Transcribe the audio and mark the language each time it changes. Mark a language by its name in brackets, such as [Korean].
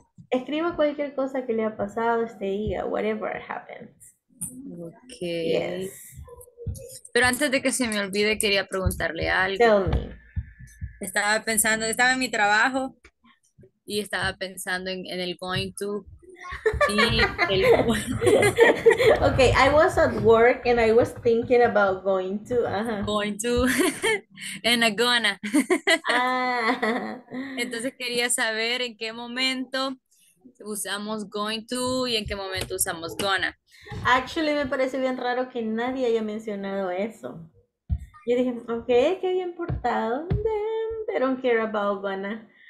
[Spanish] Escriba cualquier cosa que le ha pasado este día, [English] whatever happens. Okay. Yes. [Spanish] Pero antes de que se me olvide, quería preguntarle algo. [English] Tell me. [Spanish] Estaba pensando, estaba en mi trabajo y estaba pensando en el going to. [English] Okay, I was at work and I was thinking about going to. Going to. And I'm gonna. Ah. [Spanish] Entonces quería saber en qué momento usamos going to y en qué momento usamos gonna. Actually, me parece bien raro que nadie haya mencionado eso. Yo dije, okay, qué bien portado. [English] Then they don't care about gonna.